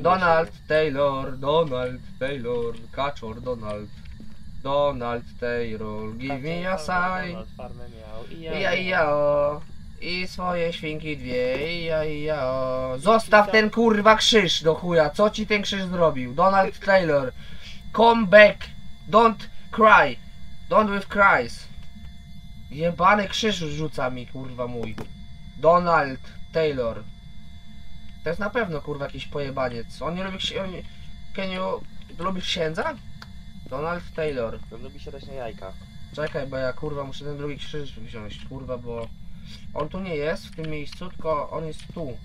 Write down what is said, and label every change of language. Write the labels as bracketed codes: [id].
[en] Donald Taylor, Donald Taylor, Kaczor Donald, Donald Taylor, give me a sign. [pl] Ija, ija, o. I swoje świnki dwie, ija, ija, o. Zostaw ten kurwa krzyż do chuja, co ci ten krzyż zrobił? [en] Donald Taylor, come back, don't cry, don't with cries. [pl] Jebany krzyż rzuca mi kurwa mój. Donald Taylor. To jest na pewno kurwa jakiś pojebaniec. On nie lubi księdza? Lubi księdza? Donald Taylor. On lubi siadać na jajka. Czekaj, bo ja kurwa muszę ten drugi krzyż wziąć, kurwa, bo... On tu nie jest w tym miejscu, tylko on jest tu.